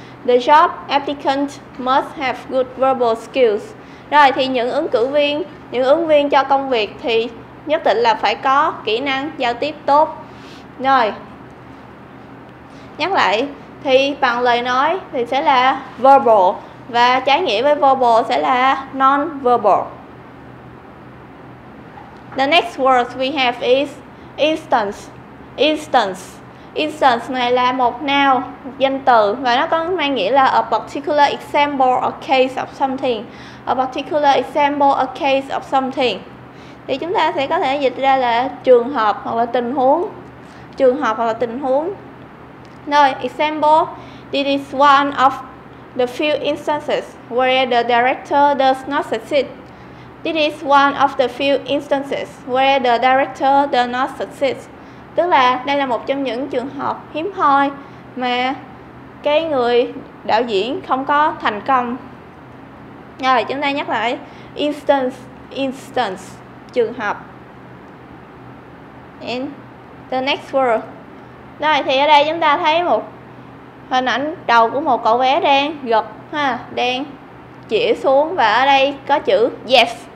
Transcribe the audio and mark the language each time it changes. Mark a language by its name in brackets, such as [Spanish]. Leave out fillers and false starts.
[English] The job applicant must have good verbal skills. [Vietnamese] Rồi, thì những ứng viên cho công việc thì nhất định là phải có kỹ năng giao tiếp tốt. Rồi, nhắc lại thì bằng lời nói thì sẽ là verbal và trái nghĩa với verbal sẽ là non-verbal. [English] The next word we have is instance. [Vietnamese] Instance này là một noun, danh từ và nó có mang nghĩa là [English] a particular example or case of something. A particular example or case of something. [Vietnamese] Thì chúng ta sẽ có thể dịch ra là trường hợp hoặc là tình huống. [English] Rồi, example, this is one of the few instances where the director does not succeed. This is one of the few instances where the director does not succeed. [Vietnamese] Tức là đây là một trong những trường hợp hiếm hoi mà cái người đạo diễn không có thành công. Rồi, chúng ta nhắc lại instance. Trường hợp. [English] And the next word. [Vietnamese] Rồi, thì ở đây chúng ta thấy một hình ảnh đầu của một cậu bé đang gật ha, đang chỉ xuống và ở đây có chữ yes.